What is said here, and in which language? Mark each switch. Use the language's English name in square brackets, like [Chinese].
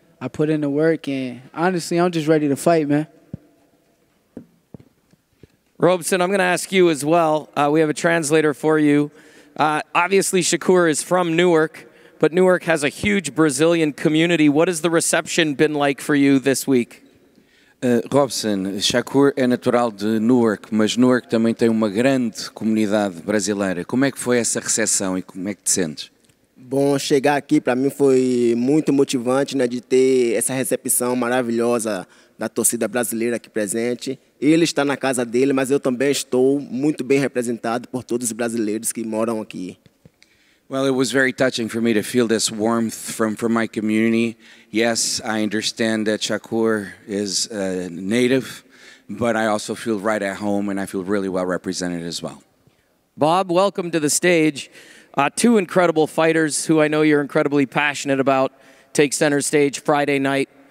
[English] I put in the work, and honestly, I'm just ready to fight, man. Robson, I'm going to ask you as well. We have a translator for you. Obviously, Shakur is from Newark. But Newark has a huge Brazilian community. What has the reception been like for you this week? [Portuguese] Robson, Shakur é natural de Newark, mas Newark também tem uma grande comunidade brasileira. Como é que foi essa recepção e como é que te sentes? Bom, chegar aqui para mim foi muito motivante, né, de ter essa recepção maravilhosa da torcida brasileira aqui presente. Ele está na casa dele, mas eu também estou muito bem representado por todos os brasileiros que moram aqui. [English] Well, it was very touching for me to feel this warmth from my community. Yes, I understand that Shakur is a native, but I also feel right at home and I feel really well represented as well. Bob, welcome to the stage. Two incredible fighters who I know you're incredibly passionate about take center stage Friday night.